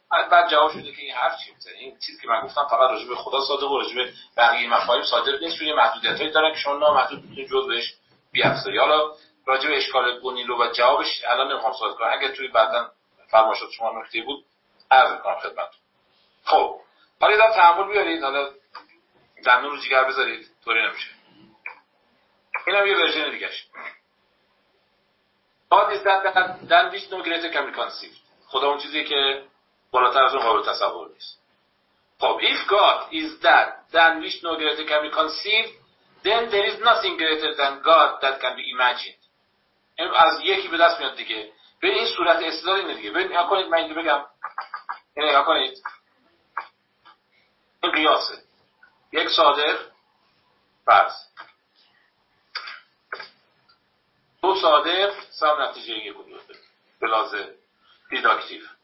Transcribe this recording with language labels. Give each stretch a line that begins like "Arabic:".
Persian: بعد جواب شده که این حرف چیه؟ مثلا این چیزی که من گفتم فقط راجع به خدا صادق و راجع به بقیه مفاهیم صادق نیست، چون محدودیتایی دارن که شما نامحدود میتونید جزء بهش بیافزایید. حالا راجع به اشکال گونیلو و جوابش الان نمیخوام صحبت کنم، اگه توی بعدن فرمایشات شما نکته بود عرض کنم خدمتتون. خب حالا اینا تعامل بیارید، حالا دندون رو جگر بذارید، طوری نمیشه. اینم یه ورژن دیگه‌ش.
English: God is that than which no greater can be conceived.
Persian: خدا اون چیزی که بالاتر از اون قابل تصور نیست.
English: خب if God is that than which no greater can be conceived, then there is nothing greater than God that can be imagined.
Persian: این از یکی به دست میاد دیگه. ببین این صورت استدلال اینه دیگه. ببین نگاه کنید، من اینو بگم. نگاه کنید. این قیاسه. یک صادق فرض. دو صادق سم نتیجه یکی کنید بلازه دیداکتیو.